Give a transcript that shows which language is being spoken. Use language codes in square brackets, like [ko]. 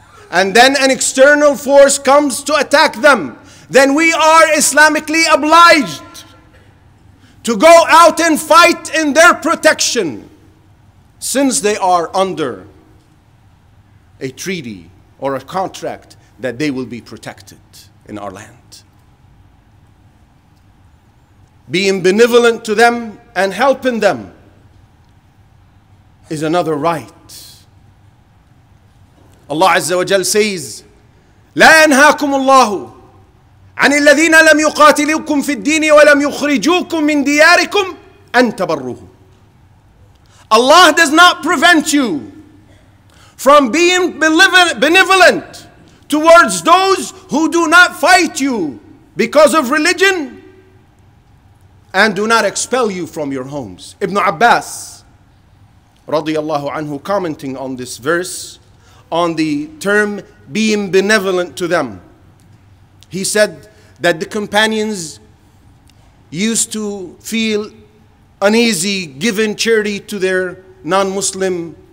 [en] and then an external force comes to attack them, then we are Islamically obliged to go out and fight in their protection, since they are under a treaty or a contract that they will be protected in our land. Being benevolent to them and helping them is another right. Allah Azza wa Jal says, [ar] لا ينهاكم الله عن الذين لم يقاتلوكم في الدين ولم يخرجوكم من دياركم أن تبروهم. [en] Allah does not prevent you from being benevolent towards those who do not fight you because of religion and do not expel you from your homes. Ibn Abbas radiyallahu anhu, commenting on this verse, on the term being benevolent to them, he said that the companions used to feel uneasy giving charity to their non-Muslim